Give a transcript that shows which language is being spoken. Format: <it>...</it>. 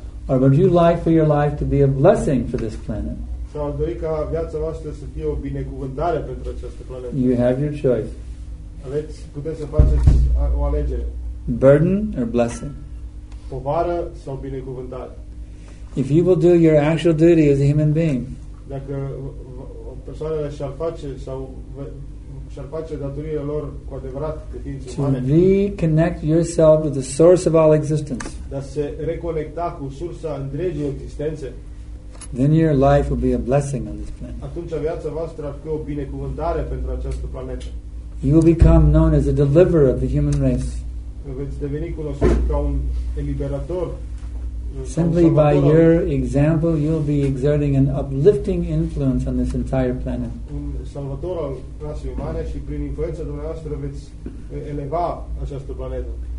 <en>Or would you like for your life to be a blessing for this planet?</en> <ro>Sau ar dori ca viața voastră să fie o binecuvântare pentru această planetă.</ro> <en>You have your choice.</en> <ro>Puteți să faceți o alegere.</ro> <en>Burden or blessing?</en> <ro>Povară sau binecuvântare?</ro> <en>If you will do your actual duty as a human being.</en> <ro>Dacă o persoană și-ar face sau și-ar face datoriile lor cu adevărat de ființe umane.</ro> <en>To reconnect yourself to the source of all existence.</en> <ro>Da, se reconecta cu sursa întregii existențe.</ro> <en>Then your life will be a blessing on this planet.</en> <ro>Atunci viața voastră ar fi o binecuvântare pentru această planetă.</ro> <en>You will become known as a deliverer of the human race.</en> <ro>Veți deveni cunoscut ca un eliberator.</ro> <en>Simply by your example, you'll be exerting an uplifting influence on this entire planet.</en> <ro>Un salvator al rasei umane și prin influența dumneavoastră veți eleva această planetă.</ro>